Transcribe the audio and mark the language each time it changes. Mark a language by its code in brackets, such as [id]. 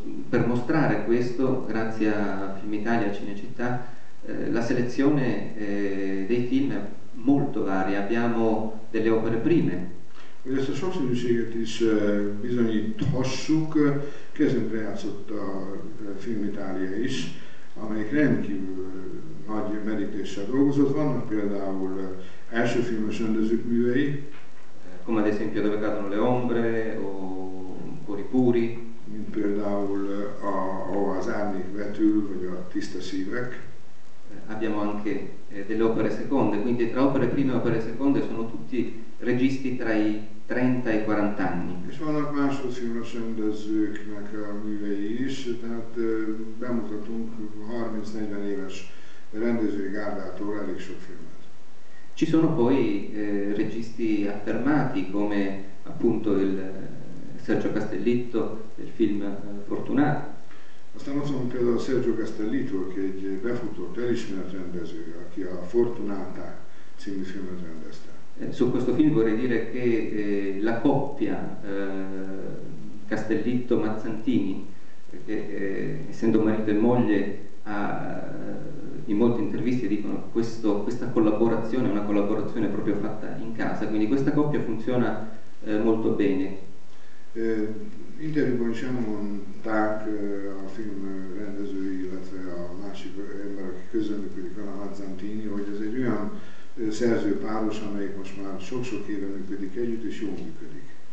[it] Per mostrare questo, grazie a Film Italia e Cinecittà, la selezione dei film è molto varia, abbiamo delle opere prime. [hu] Hogy ezt a sokszínűséget is bizonyíthassuk, kezdetben játszott a Film Itália is, amelyik rendkívül nagy merítéssel dolgozott. Vannak például első filmes rendezők művei. [it] Come ad esempio Dove cadono le ombre, o Cori puri. [hu] Mint például ahova az árnyék vetül, vagy a tiszta szívek. [it] Abbiamo anche delle opere seconde, quindi tra opere prime e opere seconde sono tutti registi tra i 30 e 40 anni. [hu] És vannak másodfilmes rendezőknek a művei is, tehát bemutatunk 30-40 éves rendezői gárdától elég sok filmet. [it] Ci sono poi registi affermati come appunto il Sergio Castellitto del film Fortunato. [hu] Aztán azt mondom például Sergio Castellitto, aki egy befutott, elismert rendező, aki a Fortunata című filmet rendezte. [it] Su questo film vorrei dire che la coppia Castellitto-Mazzantini, che essendo marito e moglie, ha, in molte interviste dicono che questa collaborazione è una collaborazione proprio fatta in casa, quindi questa coppia funziona molto bene. [hu] Interjúban is elmondták a film rendezői, illetve a másik ember, aki közreműködik vele, a Mazzantini, hogy ez egy olyan szerző páros, amelyik most már sok-sok éve működik együtt, és jól működik.